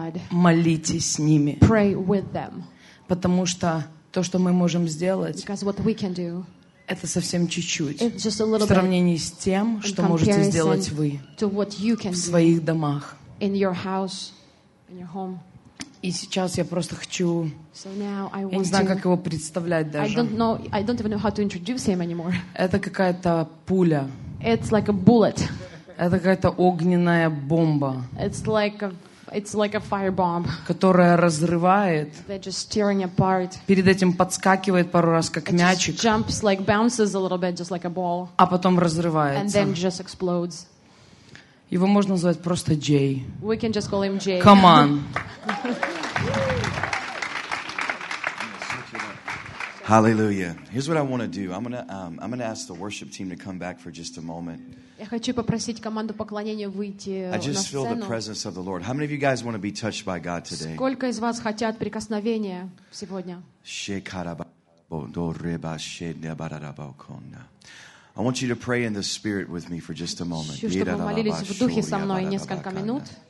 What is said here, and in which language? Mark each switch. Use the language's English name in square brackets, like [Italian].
[Russian] Молитесь с ними. Потому что то, что мы можем сделать, это совсем чуть-чуть в сравнении с тем, что можете сделать вы в своих домах. И сейчас я просто хочу... Я не знаю, как его представлять даже. [English] I don't even know how to introduce him anymore. [Russian] Это какая-то пуля. [English] It's like a bullet. [Russian] Это какая-то огненная бомба. [English] It's like a firebomb. [Russian] Которая разрывает. [English] They're just tearing apart. [Russian] Перед этим подскакивает пару раз, как [English] it [Russian] мячик. [English] Just jumps, like bounces a little bit, just like a ball. [Russian] А потом разрывается. [English] And then just explodes. [Russian] Его можно назвать просто Джей. [English] We can just call him Jay. Come on. Hallelujah. Here's what I want to do. I'm gonna ask the worship team to come back for just a moment. [Russian] Я хочу попросить команду поклонения выйти на сцену. [English] I just feel the presence of the Lord. How many of you guys want to be touched by God today? [Russian] Сколько из вас хотят прикосновения сегодня? [English] I want you to pray in the spirit with me for just a moment. [Russian] Чтобы вы молились в духе со мной несколько минут.